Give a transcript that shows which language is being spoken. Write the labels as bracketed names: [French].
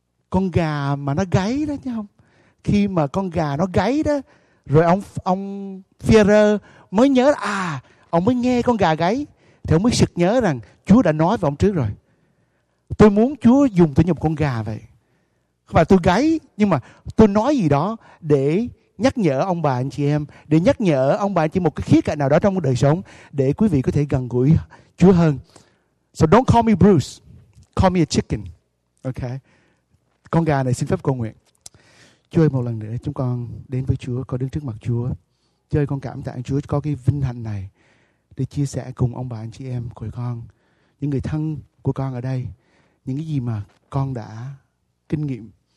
[Vietnamese] Con gà mà nó gáy đó chứ không? Khi mà con gà nó gáy đó rồi ông Phi-e-rơ mới nhớ là, ông mới nghe con gà gáy thì ông mới sực nhớ rằng Chúa đã nói với ông trước rồi. Tôi muốn Chúa dùng tôi như một con gà vậy. Không phải tôi gáy, nhưng mà tôi nói gì đó để nhắc nhở ông bà anh chị em, để nhắc nhở ông bà anh chị một cái khía cạnh nào đó trong đời sống để quý vị có thể gần gũi Chúa hơn. [English] So don't call me Bruce, call me a chicken. Ok. [Vietnamese] Con gà này xin phép cầu nguyện. Chúa ơi, một lần nữa chúng con đến với Chúa, con đứng trước mặt Chúa. Chúa ơi, con cảm tạ Chúa có cái vinh hạnh này để chia sẻ cùng ông bà anh chị em của con, những người thân của con ở đây, những cái gì mà con đã kinh nghiệm.